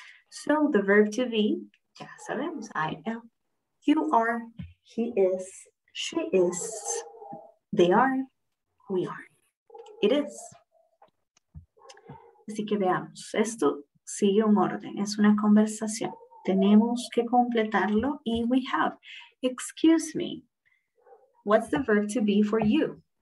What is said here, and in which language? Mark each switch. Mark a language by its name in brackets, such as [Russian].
[English] So the verb to be, [Spanish] ya sabemos, [English] I am, you are, he is, she is, they are, we are, it is. [Spanish] Así que veamos, esto sigue un orden, es una conversación. Tenemos que completarlo y [English] we have. Excuse me, what's the verb to be for you?